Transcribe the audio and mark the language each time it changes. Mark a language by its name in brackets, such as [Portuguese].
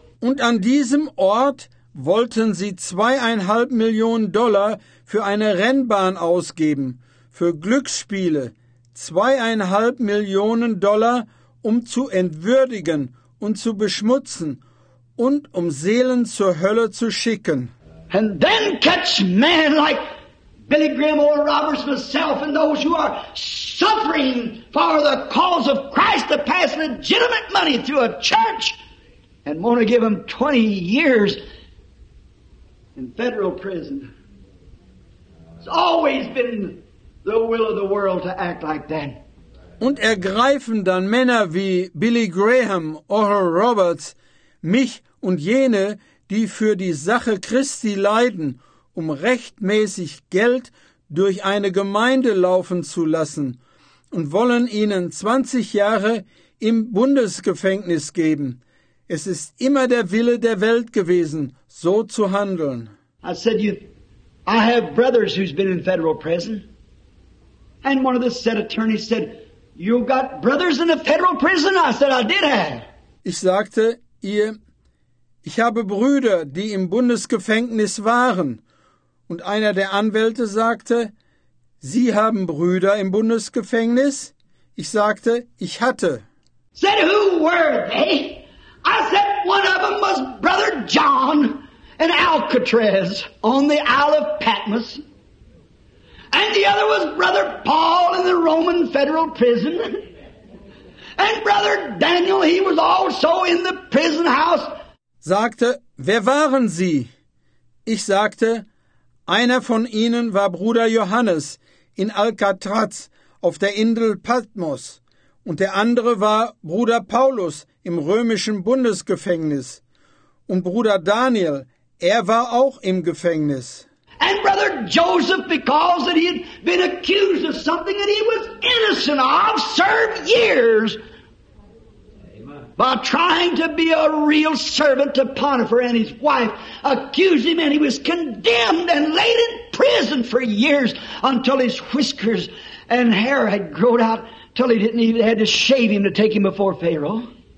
[German] Und an diesem Ort wollten sie $2.5 million für eine Rennbahn ausgeben, für Glücksspiele. $2.5 million, um zu entwürdigen und zu beschmutzen und um Seelen zur Hölle zu schicken. [English] And then catch men like Billy Graham, Oral Roberts, myself, and those who are suffering for the cause of Christ to pass legitimate money through a church and want to give them 20 years in federal prison. It's always been the will of the world to act like that. [German] Und ergreifen dann Männer wie Billy Graham, Oral Roberts, mich und jene, die für die Sache Christi leiden, um rechtmäßig Geld durch eine Gemeinde laufen zu lassen, und wollen ihnen 20 Jahre im Bundesgefängnis geben. Es ist immer der Wille der Welt gewesen, so zu handeln. [English] I said, I have brothers who's been in federal prison. And one of the said attorneys said, you got brothers in a federal prison? I said, I did have. [German] Ich sagte ihr, ich habe Brüder, die im Bundesgefängnis waren. Und einer der Anwälte sagte, Sie haben Brüder im Bundesgefängnis? Ich sagte, ich hatte. [English] Said, who were they? I said, one of them was Brother John in Alcatraz on the Isle of Patmos. And the other was Brother Paul in the Roman Federal Prison. And Brother Daniel, he was also in the prison house. [German] Sagte, wer waren Sie? Ich sagte, einer von ihnen war Bruder Johannes in Alcatraz auf der Insel Patmos. Und der andere war Bruder Paulus im römischen Bundesgefängnis. Und Bruder Daniel, er war auch im Gefängnis. [English] And Brother Joseph, because that he had been accused of something that he was innocent of, served years. By trying to be a real servant to Potiphar and his wife, accused him and he was condemned and laid in prison for years until his whiskers and hair had grown out till he didn't even had to shave him to take him before Pharaoh.